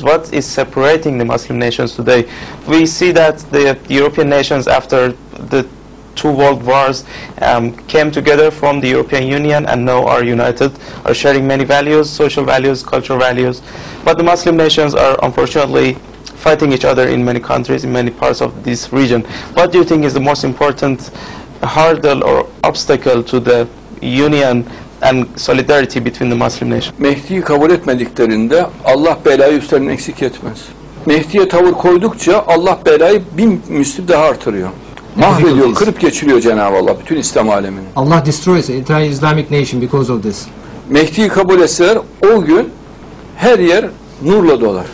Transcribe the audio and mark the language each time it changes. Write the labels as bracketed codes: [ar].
[en] What is separating the Muslim nations today? We see that the European nations after the two world wars came together from the European Union and now are united, are sharing many values, social values, cultural values. But the Muslim nations are unfortunately fighting each other in many countries, in many parts of this region. What do you think is the most important hurdle or obstacle to the union and solidarity between the Muslim nations? [tr] Mehdi'yi kabul etmediklerinde Allah belayı üstlerine eksik etmez. Mehdi'ye tavır koydukça Allah belayı bin misli daha artırıyor. Mahvediyor, kırıp geçiriyor Cenab-ı Allah bütün İslam alemini. [en] Allah destroys the entire Islamic nation because of this. [tr] Mehdi'yi kabul etseler o gün her yer nurla dolar.